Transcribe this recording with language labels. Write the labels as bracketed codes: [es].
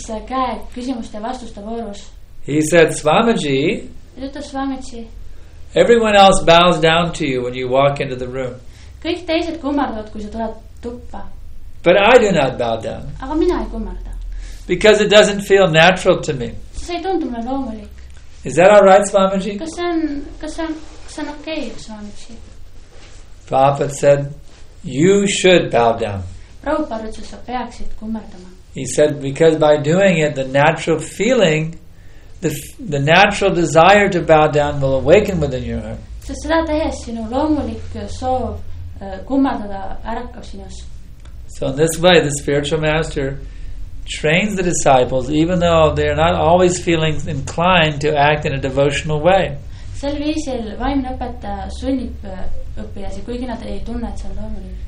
[en] He said, Swamiji, everyone else bows down to you when you walk into the room. [et] Kõik teised kummardavad, kui sa tuled tuppa. [en] But I do not bow down. [et] Aga mina ei kummarda. [en] Because it doesn't feel natural to me. [et] See ei tundu mulle loomulik. [en] Is that all right, Swamiji? [et] Kas on okay, Swamiji? [en] Prabhupada said, you should bow down. [et] Prabhupada ütles, sa peaksid kummardama. [en] He said, because by doing it, the natural feeling, the natural desire to bow down will awaken within your heart. [et] So seda tehes sinu loomulik soov kummardada ärakab sinus. [en] So in this way, the spiritual master trains the disciples, even though they are not always feeling inclined to act in a devotional way. [et] Sel viisil vaimne õpetaja sunnib õppilasi, kuigi nad ei tunne, et see on loomulik.